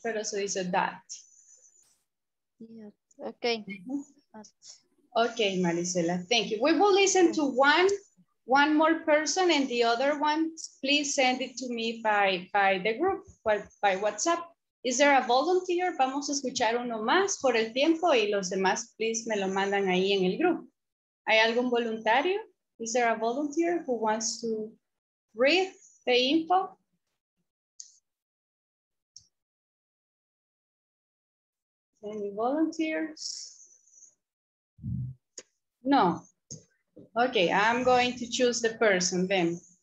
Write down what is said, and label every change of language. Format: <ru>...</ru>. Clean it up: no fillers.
<es>Pero se dice that.</es> <en>Yeah. Okay. Mm-hmm. Okay, Maricela, thank you. We will listen to one more person, and the other one, please send it to me by the group, by WhatsApp. Is there a volunteer?</en> <es>Vamos a escuchar uno más por el tiempo, y los demás, please, me lo mandan ahí en el grupo. ¿Hay algún voluntario?</es> <en>Is there a volunteer who wants to read the info? Any volunteers? No. Okay, I'm going to choose the person then.</en>